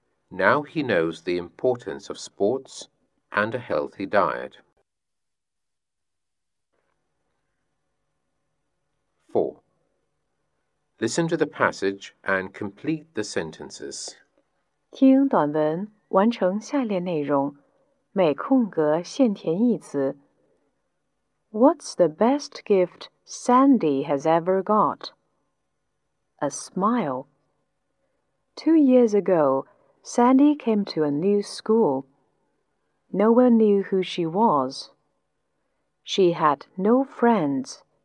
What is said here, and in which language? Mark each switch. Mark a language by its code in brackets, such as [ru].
[en] Now he knows the importance of sports and a healthy diet. 4. Listen to the passage and complete the sentences. [zh] 听短文，完成下列内容，每空格限填一词。 [en] What's the best gift Sandy has ever got? A smile. 2 years ago, Sandy came to a new school. No one knew who she was. She had no friends.